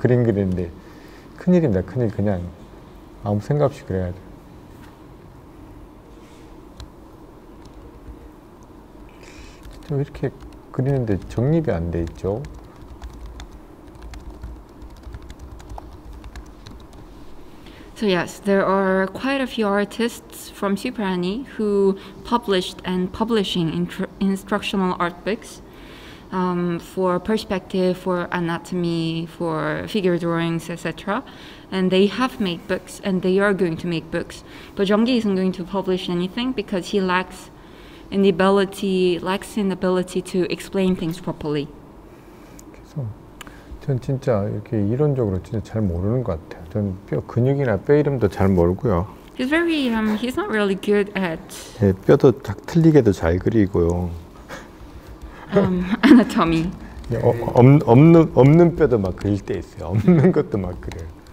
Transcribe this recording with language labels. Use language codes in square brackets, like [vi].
[ko] 그림 그리는데 큰일입니다. 큰일. 그냥 아무 생각 없이 그래야 돼. 좀 이렇게 그리는데 정립이 안 돼 있죠. [en] So yes, there are quite a few artists from Suprani who published and publishing instructional art books for perspective, for anatomy, for figure drawings, etc. And they have made books and they are going to make books. But Jeonggi isn't going to publish anything because he lacks in the ability to explain things properly. [ko] 전 진짜 이렇게 이론적으로 진짜 잘 모르는 것 같아요. 전 뼈 근육이나 뼈 이름도 잘 모르고요. [en] He's very he's not really good at. [ko] 네, 뼈도 딱 틀리게도 잘 그리고요. [en] Anatomy. [ko] 없는 뼈도 막 그릴 때 있어요. 없는 것도 막 그려요.